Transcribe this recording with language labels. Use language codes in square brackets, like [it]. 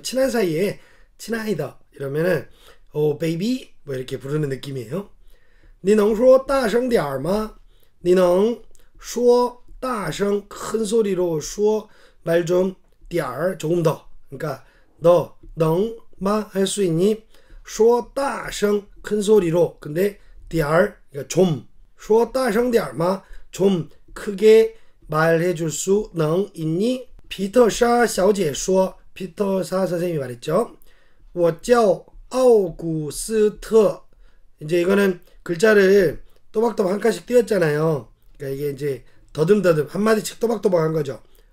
[ko] 친한 사이에 친아이더 이러면은 오 베이비 뭐 이렇게 부르는 느낌이에요. [zh] 你能说大声点吗? 你能说大声 [ko] 큰 소리로 说 말 좀 点 조금 더 그러니까 너 能吗? 할 수 있니? [zh] 说大声 [ko] 큰 소리로 근데 点儿, 그러니까 좀, [zh] 说大声点吗? [ko] 좀 크게 말해줄 수 능 있니? 피터샤小姐说, 피터샤선생님이 말했죠. [zh] 我叫奥古斯特. [ko] 이제 이거는 글자를 또박또박 한 칸씩 띄웠잖아요. 그러니까 이게 이제 더듬더듬 한마디씩 또박또박 한 거죠.